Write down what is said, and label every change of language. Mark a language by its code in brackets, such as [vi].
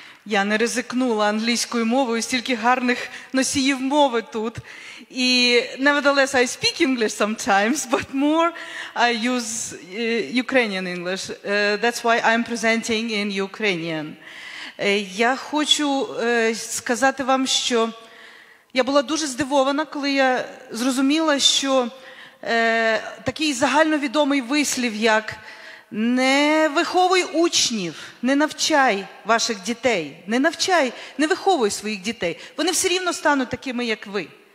[uk] Я не ризикнула англійською мовою, стільки гарних носіїв мови тут. [en] І, nevertheless, I speak English sometimes, but more I use Ukrainian English. That's why I'm presenting in Ukrainian. [uk] Я хочу сказати вам, що я була дуже здивована, коли я зрозуміла, що такий загальновідомий вислів, як «Не виховуй учнів, не навчай ваших дітей, не навчай, не виховуй своїх дітей, вони все рівно стануть такими, як ви.